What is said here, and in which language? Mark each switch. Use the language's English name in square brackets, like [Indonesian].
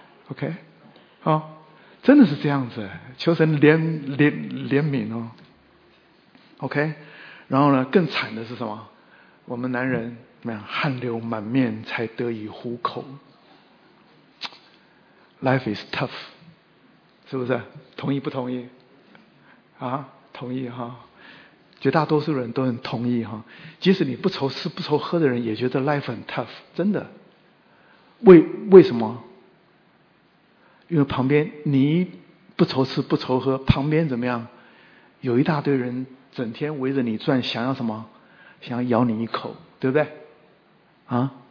[Chinese] OK、哦、真的是这样子，求神 怜悯、哦、OK。然后呢更惨的是什么，我们男人怎么样，汗流满面才得以糊口。 [English] Life is tough， [Chinese] 是不是？同意不同意啊？同意哈，绝大多数人都很同意哈。即使你不愁吃不愁喝的人也觉得 life 很 tough， 真的。为什么？因为旁边你不愁吃不愁喝，旁边怎么样，有一大堆人整天围着你转，想要什么，想要咬你一口，对不对啊？